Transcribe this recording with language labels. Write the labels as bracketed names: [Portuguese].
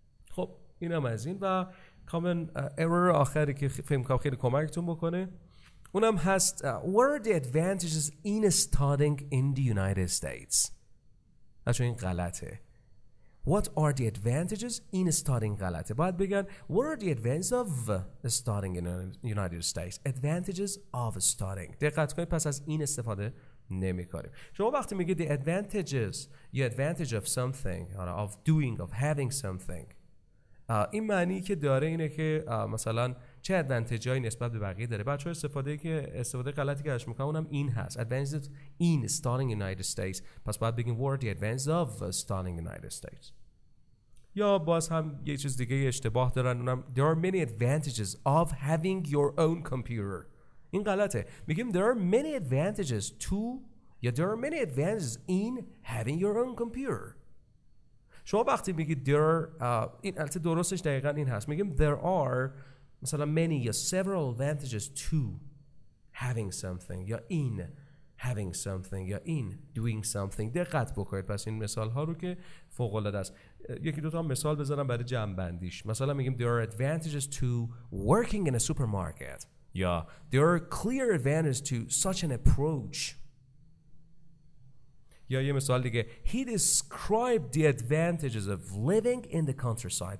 [Persian] خب این هم از این. و common error آخری که فیلم کام خیلی کمکتون بکنه اونم هست [English] What are the advantages in studying in the United States? [Persian] اچون این غلطه. [English] What are the advantages in studying [Persian] غلطه. باید بگن [English] What are the advantages of studying in the United States? Advantages of studying. [Persian] دقت کنید پس از این استفاده نمی کنیم. شما وقتی میگید [English] the advantages [Persian] یا [English] advantage of something or of doing of having something [Persian] این معنی که داره اینه که مثلا چه advantage هایی نسبت به بقیه داره. بچه ها استفاده غلطی که اش میکنم اونم این هست [English] advantages in starting United States. [Persian] پس باید بگیم [English] what are the advantages of starting United States. [Persian] یا باز هم یه چیز دیگه اشتباه دارن اونم [English] there are many advantages of having your own computer. [Persian] این غلطه. میگیم [English] there are many advantages to [Persian] یا [English] there are many advantages in having your own computer. [Persian] شما وقتی میگید این البته درستش دقیقا این هست، میگیم [English] there are [Persian] مثلا [English] many [Persian] یا [English] several advantages to having something یا in having something یا in doing something. [Persian] دقت بکنید پس این مثال ها رو که فوق العاده است. یکی دوتا مثال بزنم برای جمع بندیش. مثلا میگیم [English] there are advantages to working in a supermarket. Yeah, there are clear advantages to such an approach. Yeah, [Persian] یه مثال دیگه. [English] He described the advantages of living in the countryside.